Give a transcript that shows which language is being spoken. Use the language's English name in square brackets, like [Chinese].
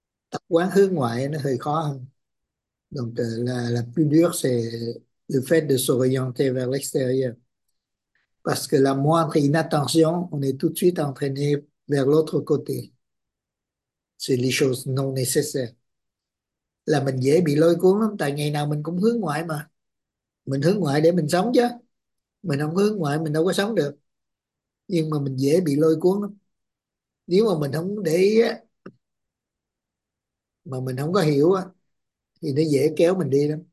[Vietnamese] Tập quán hướng ngoại nó hơi khó hơn. [French] Donc là plus dur c'est le fait de s'orienter vers l'extérieur. Parce que la moindre inattention, on est tout de suite entraîné vers l'autre côté. C'est les choses non nécessaires. [Vietnamese] Là mình dễ bị lôi cuốn lắm, tại ngày nào mình cũng hướng ngoại mà. Mình hướng ngoại để mình sống chứ. Mình không hướng ngoại mình đâu có sống được. Nhưng mà mình dễ bị lôi cuốn lắm. Nếu mà mình không để ý á, mà mình không có hiểu á, thì nó dễ kéo mình đi lắm.